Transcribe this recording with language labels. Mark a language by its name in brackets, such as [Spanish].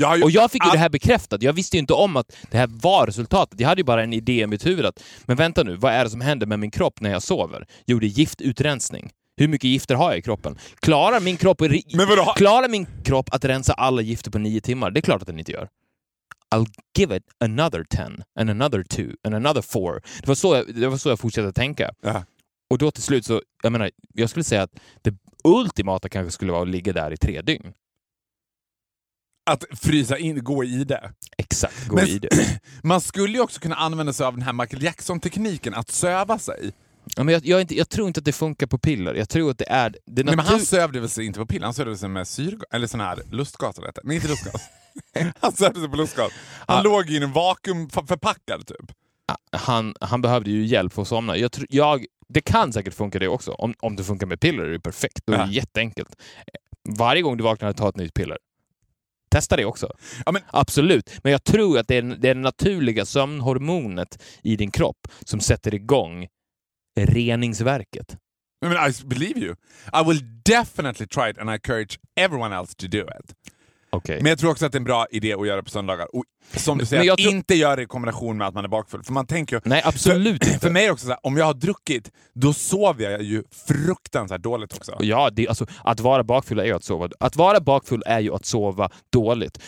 [Swedish] jag fick ju det här bekräftat. Jag visste ju inte om att det här var resultatet. Jag hade ju bara en idé i mitt huvud att, men vänta nu, vad är det som händer med min kropp när jag sover? Jo, det är giftutrensning. Hur mycket gifter har jag i kroppen? Klarar min kropp, att rensa alla gifter på 9 timmar? Det är klart att den inte gör. [English] I'll give it another 10 and another 2 and another 4. [Swedish] Det var så jag fortsatte tänka. Uh-huh. Och då till slut så, jag menar, jag skulle säga att det ultimata kanske skulle vara att ligga där i 3 dygn. Att frysa in, gå i det. Exakt, gå i det. Man skulle ju också kunna använda sig av den här Michael Jackson-tekniken att söva sig. Ja, men jag tror inte att det funkar på piller. Jag tror att det är... Det men han sövde väl sig inte på piller, han sövde sig med syrgas eller sån här lustgas. Nej, inte lustgas. Han sövde sig på lustgas. Han låg i en vakuumförpackad typ. Han behövde ju hjälp för att somna. Det kan säkert funka det också. Om det funkar med piller är det perfekt. Det är jätteenkelt. Varje gång du vaknar och tar ett nytt piller, testa det också. Ja, men... Absolut. Men jag tror att det är naturliga sömnhormonet i din kropp som sätter igång reningsverket. [English] I mean, I believe you. I will definitely try it and I encourage everyone else to do it. Okay. [Swedish] Men jag tror också att det är en bra idé att göra på söndagar. Och som du säger, inte göra det i kombination med att man är bakfull. För man tänker ju... Nej, absolut inte. För mig också, så här, om jag har druckit, då sover jag ju fruktansvärt dåligt också. Ja, att vara bakfull är ju att sova. Att vara bakfull är ju att sova dåligt.